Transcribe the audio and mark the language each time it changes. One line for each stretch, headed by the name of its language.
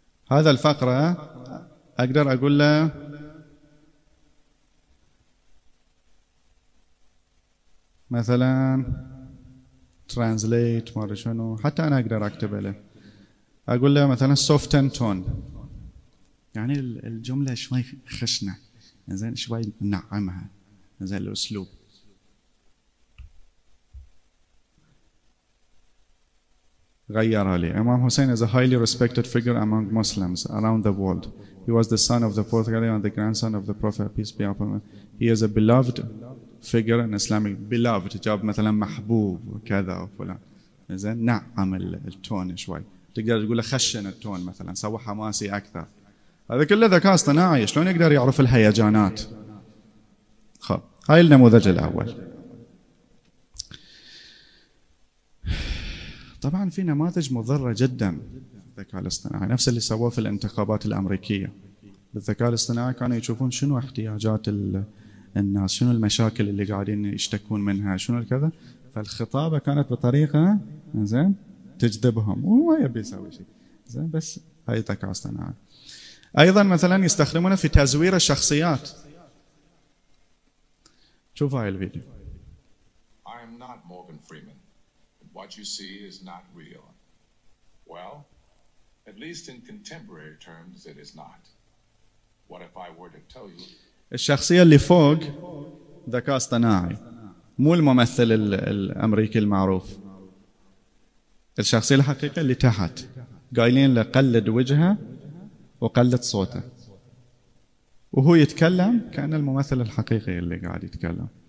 Arabic: هذا الفقرة أقدر أقول له مثلاً translate ما أدري شنو حتى أنا أقدر أكتب له. أقول له مثلاً
English: soften tone.
Arabic: يعني الجملة شوي خشنة زين شوي نعمها زين الأسلوب غيرها لي.
English: Imam Hussein is a highly respected figure among Muslims around the world. He was the son of the fourth Caliph and the grandson of the Prophet peace be upon him. He is a beloved figure in Islamic beloved
Arabic: جاب مثلا محبوب وكذا وفلان زين نعم التون شوي تقدر تقول خشن التون مثلا سوى حماسي أكثر. هذا كله ذكاء اصطناعي شلون يقدر يعرف الهيجانات. خب هاي النموذج الاول. طبعا في نماذج مضره جدا الذكاء الاصطناعي نفس اللي سووه في الانتخابات الامريكيه. بالذكاء الاصطناعي كانوا يشوفون شنو احتياجات الناس شنو المشاكل اللي قاعدين يشتكون منها شنو الكذا فالخطابه كانت بطريقه زين تجذبهم وهو يبي يسوي شيء زين بس هاي الذكاء الاصطناعي. ايضا مثلا يستخدمونه في تزوير الشخصيات. شوف هاي الفيديو.
English: I am not Morgan Freeman. What you see is not real. Well, at least in contemporary terms it is not. What if I were to tell you
Arabic: الشخصيه اللي فوق ذكاء اصطناعي مو الممثل الامريكي المعروف. الشخصيه الحقيقيه اللي تحت قايلين له قلد وجهها وقلد صوته وهو يتكلم كأن الممثل الحقيقي اللي قاعد يتكلم.